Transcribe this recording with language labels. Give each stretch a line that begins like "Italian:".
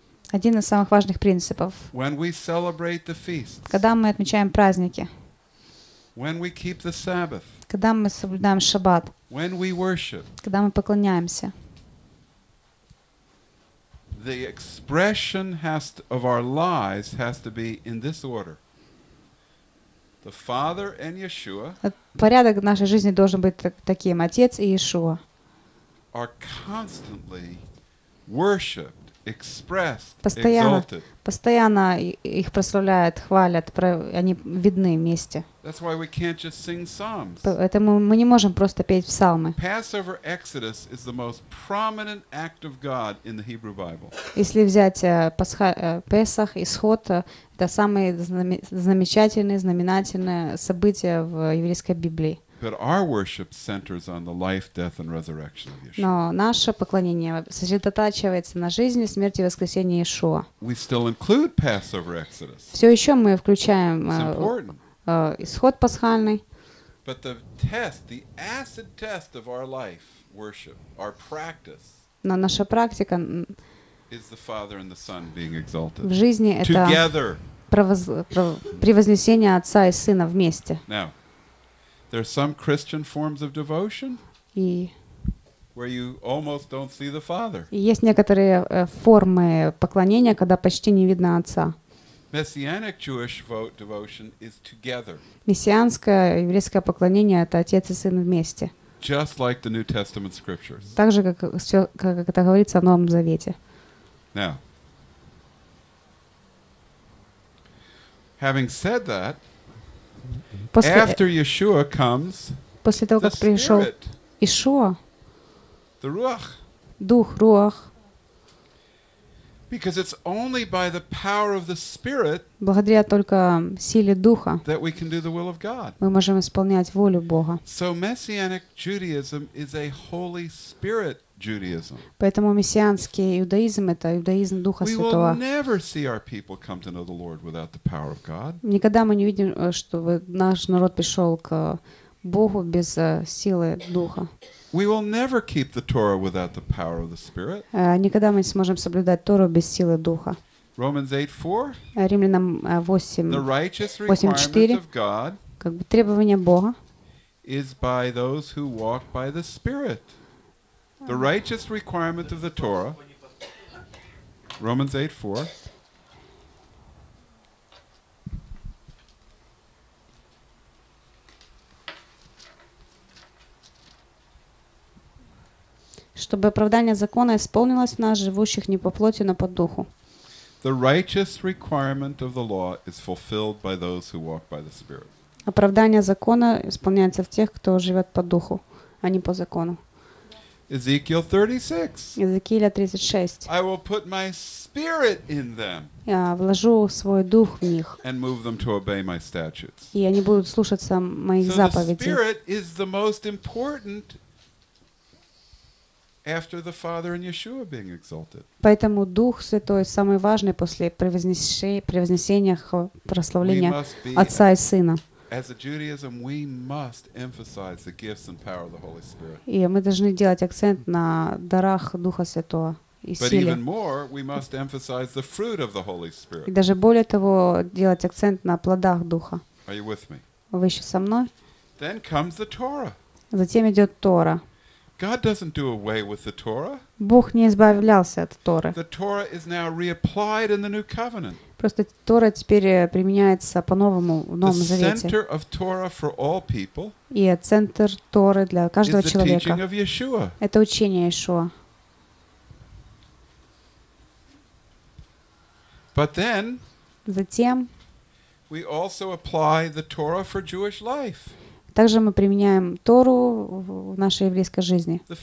Russian: Один из самых важных принципов. Когда мы отмечаем праздники,
English: when we keep the Sabbath,
Russian: когда мы соблюдаем Шаббат,
English: when we worship,
Russian: когда мы поклоняемся,
English: the expression has to, of our lives has to be in this order: the Father and Yeshua.
Russian: Порядок нашей жизни должен быть таким: Отец и Иешуа.
English: Are constantly worshipped, expressed,
Russian: постоянно,
English: exalted.
Russian: Постоянно их прославляют, хвалят, они видны вместе.
English: That's why we can't just sing psalms.
Russian: Поэтому мы не можем просто петь псалмы.
English: Passover Exodus is the most prominent act of God in the Hebrew Bible.
Russian: Если взять Песах, исход, это самые замечательные, знаменательные события в еврейской Библии.
English: But our worship centers on the life, death, and resurrection of Yeshua.
Russian: Но наше поклонение сосредотачивается на жизни, смерти и воскресении Иешуа.
English: We still include Passover Exodus.
Russian: Все еще мы включаем исход пасхальный.
English: But the test, the acid test of our life, worship, our practice.
Russian: Но наша практика.
English: Is the Father and the Son being exalted?
Russian: В жизни это
English: together.
Russian: Превознесение Отца и Сына вместе.
English: Now, there are some Christian forms of devotion.
Russian: И
English: where you almost don't see the Father.
Russian: Есть некоторые формы поклонения, когда почти не видно Отца.
English: Messianic Jewish vote devotion is together.
Russian: Мессианское еврейское поклонение — это Отец и Сын вместе.
English: Just like the New Testament scriptures.
Russian: Так же, как это говорится в Новом Завете.
English: Now, having said that, after Yeshua comes,
Russian: после того, как пришел Иешуа,
English: the Ruach,
Russian: дух, Руах.
English: Because it's only by the power of the Spirit,
Russian: благодаря только силе Духа,
English: that we can do the will of God.
Russian: Мы можем исполнять волю Бога.
English: So Messianic Judaism is a Holy Spirit Judaism.
Russian: Поэтому мессианский иудаизм — это иудаизм Духа Святого.
English: We will never see our people come to know the Lord without the power of God.
Russian: Никогда мы не увидим, чтобы наш народ пришел к Богу без силы Духа.
English: We will never keep the Torah without the power of the Spirit.
Russian: Никогда мы не сможем соблюдать Тору без силы Духа.
English: Romans 8:4.
Russian: Римлянам 8:4.
English: The righteous requirement of God.
Russian: Как бы требование Бога.
English: Is by those who walk by the Spirit. The righteous requirement of the Torah. Romans 8:4.
Russian: Чтобы оправдание закона исполнилось в нас, живущих не по плоти, но по духу.
English: The righteous requirement of the law is fulfilled by those who walk by the Spirit.
Russian: Оправдание закона исполняется в тех, кто живет по духу, а не по закону.
English: Ezekiel 36.
Russian: Иезекииля 36.
English: I will put my spirit in them.
Russian: Я вложу свой дух в них.
English: And move them to obey my statutes.
Russian: И они будут слушаться моих заповедей.
English: So the spirit is the most important after the Father and Yeshua being exalted.
Russian: Поэтому Дух Святой самый важный после превознесения, прославления Отца и Сына.
English: As a Judaism, we must emphasize the gifts and power of the Holy Spirit.
Russian: И мы должны делать акцент на дарах Духа Святого и силе.
English: But even more, we must emphasize the fruit of the Holy Spirit.
Russian: И даже более того, делать акцент на плодах Духа.
English: Are you with me?
Russian: Вы еще со мной?
English: Then comes the Torah.
Russian: Затем идет Тора.
English: God doesn't do away with the Torah.
Russian: Бог не избавлялся от Торы.
English: The Torah is now reapplied in the New Covenant.
Russian: Просто Тора теперь применяется по-новому в Новом Завете.
English: The center of Torah for all people.
Russian: И центр Торы для каждого человека.
English: Is the teaching of Yeshua.
Russian: Это учение Иешуа.
English: But then.
Russian: Затем.
English: We also apply the Torah for Jewish life.
Russian: Также мы применяем Тору в нашей еврейской жизни.